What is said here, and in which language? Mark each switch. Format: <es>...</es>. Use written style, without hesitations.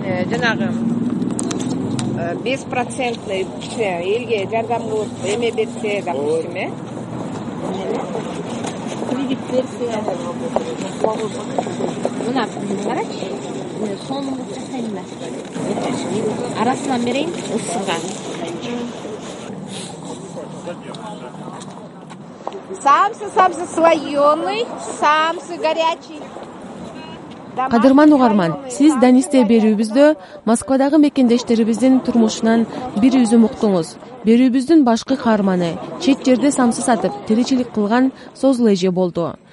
<ky>Жанагы 5% кичине элге жардам кылып эме берсе, допустим, э? Мына карачы сонун кылып жасайм да арасынан берейин ысыга.</ky> <ru>Самсы, самсы слоеный, самсы горячий.</ru> <ky>Кадырман угарман, сиз Данисте берүүбүздө Москвадагы мекендештерибиздин турмушунан бир үзүм уктуңуз. Берүүбүздүн башкы каарманы чет жерде самсы сатып тиричилик кылган Созул эже болду.</ky>